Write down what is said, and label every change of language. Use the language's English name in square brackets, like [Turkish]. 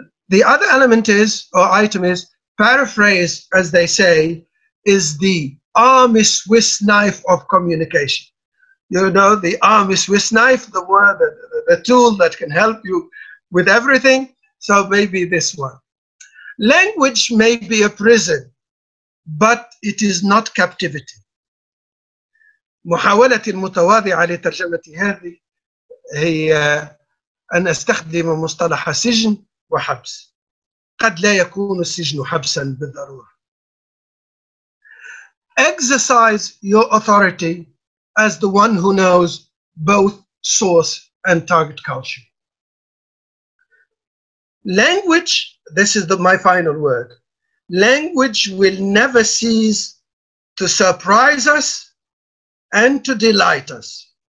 [English] The other element is, or item is, paraphrase, as they say, is the army Swiss knife of communication. You know, the army Swiss knife, the word, the tool that can help you with everything. So maybe this one. Language may be a prison, but it is not captivity. [Arabic] محاولة المتواضعة لترجمة هذه هي أن أستخدم مصطلح سجن وحبس. قد لا يكون السجن حبسا بالضرورة. [English] Exercise your authority as the one who knows both source and target culture. Language, this is my final word, language will never cease to surprise us and to delight us.